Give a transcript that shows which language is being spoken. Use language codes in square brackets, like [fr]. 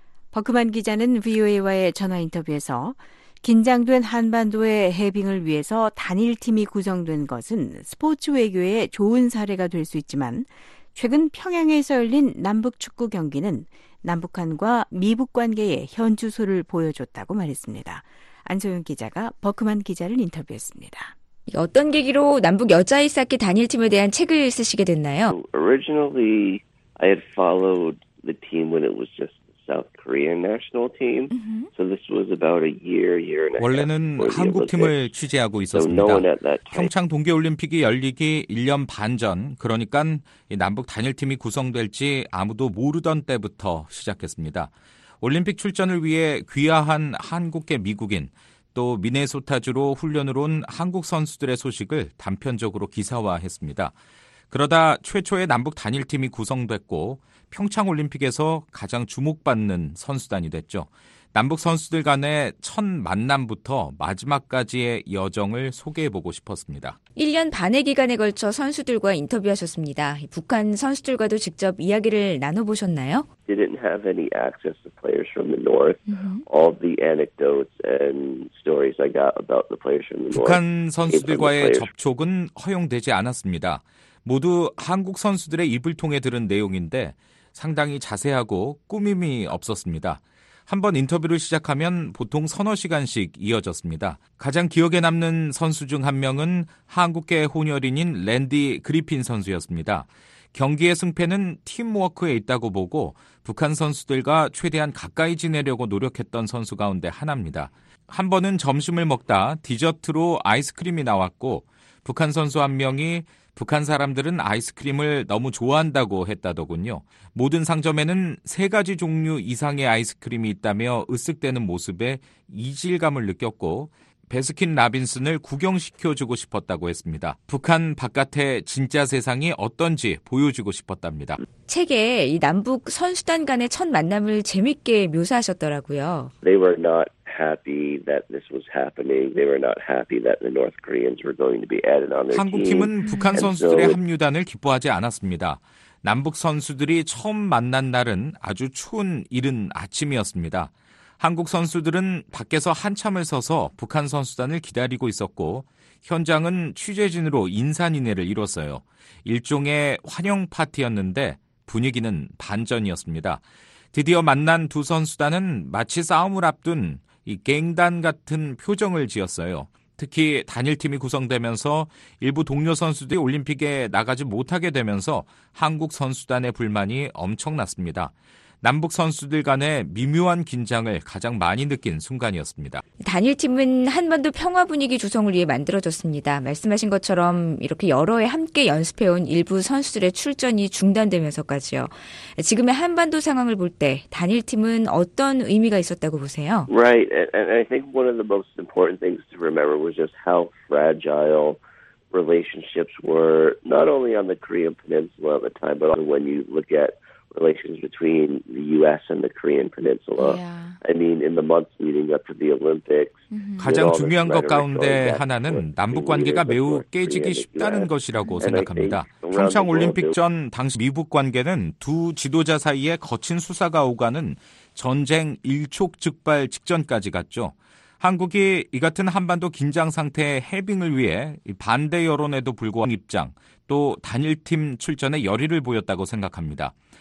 [ko] 버크만 기자는 VOA와의 전화 인터뷰에서 긴장된 한반도의 해빙을 위해서 단일팀이 구성된 것은 스포츠 외교에 좋은 사례가 될 수 있지만 최근 평양에서 열린 남북 축구 경기는 남북한과 미북 관계의 현주소를 보여줬다고 말했습니다. 안소영 기자가 버크만 기자를 인터뷰했습니다. 어떤 계기로 남북 여자 아이스하키 단일팀에 대한 책을 쓰시게 됐나요? [en] Originally, I had followed the team when it was just the South Korean national team. So this was about a year, year and a half. [ko] 원래는 한국 팀을 취재하고 있었습니다. 평창 동계 올림픽이 열리기 1년 반 전, 그러니까 남북 단일팀이 구성될지 아무도 모르던 때부터 시작했습니다. 올림픽 출전을 위해 귀화한 한국계 미국인, 또 미네소타주로 훈련을 온 한국 선수들의 소식을 단편적으로 기사화했습니다. 그러다 최초의 남북 단일팀이 구성됐고 평창올림픽에서 가장 주목받는 선수단이 됐죠. 남북 선수들 간의 첫 만남부터 마지막까지의 여정을 소개해보고 싶었습니다. 1년 반의 기간에 걸쳐 선수들과 인터뷰하셨습니다. 북한 선수들과도 직접 이야기를 나눠보셨나요? [en] Didn't have any access to players from the north. All the anecdotes and stories I got about the players from the north. [ko] 북한 선수들과의 접촉은 허용되지 않았습니다. 모두 한국 선수들의 입을 통해 들은 내용인데 상당히 자세하고 꾸밈이 없었습니다. 한번 인터뷰를 시작하면 보통 서너 시간씩 이어졌습니다. 가장 기억에 남는 선수 중 한 명은 한국계 혼혈인인 랜디 그리핀 선수였습니다. 경기의 승패는 팀워크에 있다고 보고 북한 선수들과 최대한 가까이 지내려고 노력했던 선수 가운데 하나입니다. 한 번은 점심을 먹다 디저트로 아이스크림이 나왔고 북한 선수 한 명이 북한 사람들은 아이스크림을 너무 좋아한다고 했다더군요. 모든 상점에는 세 가지 종류 이상의 아이스크림이 있다며 으쓱대는 모습에 이질감을 느꼈고 배스킨 라빈슨을 구경시켜주고 싶었다고 했습니다. 북한 바깥의 진짜 세상이 어떤지 보여주고 싶었답니다. 책에 이 남북 선수단 간의 첫 만남을 재밌게 묘사하셨더라고요. [en] They were not happy that this was happening. They were not happy that the North Koreans were going to be added on their team. [ko] 한국팀은 북한 선수들의 합류단을 기뻐하지 않았습니다. 남북 선수들이 처음 만난 날은 아주 추운 이른 아침이었습니다. 한국 선수들은 밖에서 한참을 서서 북한 선수단을 기다리고 있었고 현장은 취재진으로 인산인해를 이뤘어요. 일종의 환영 파티였는데 분위기는 반전이었습니다. 드디어 만난 두 선수단은 마치 싸움을 앞둔 이 갱단 같은 표정을 지었어요. 특히 단일팀이 구성되면서 일부 동료 선수들이 올림픽에 나가지 못하게 되면서 한국 선수단의 불만이 엄청났습니다. 남북 선수들 간의 미묘한 긴장을 가장 많이 느낀 순간이었습니다. 단일팀은 한반도 평화 분위기 조성을 위해 만들어졌습니다. 말씀하신 것처럼 이렇게 여러 해 함께 연습해온 일부 선수들의 출전이 중단되면서까지요. 지금의 한반도 상황을 볼 때 단일팀은 어떤 의미가 있었다고 보세요? [en] Right. And I think one of the most important things to remember was just how fragile relationships were, not only on the Korean Peninsula at the time, but when you look at relations between the U.S. and the Korean Peninsula. Yeah. I mean, in the months leading up to the Olympics. Mm-hmm. [ko] 가장 중요한 것 가운데 하나는 남북 관계가 매우 깨지기 쉽다는 것이라고 생각합니다. 평창 올림픽 전 당시 미북 관계는 두 지도자 사이에 거친 수사가 오가는 전쟁 일촉즉발 직전까지 갔죠. 한국이 이 같은 한반도 긴장 상태의 해빙을 위해 반대 여론에도 불구하고 입장 또 단일팀 출전의 열의를 보였다고 생각합니다.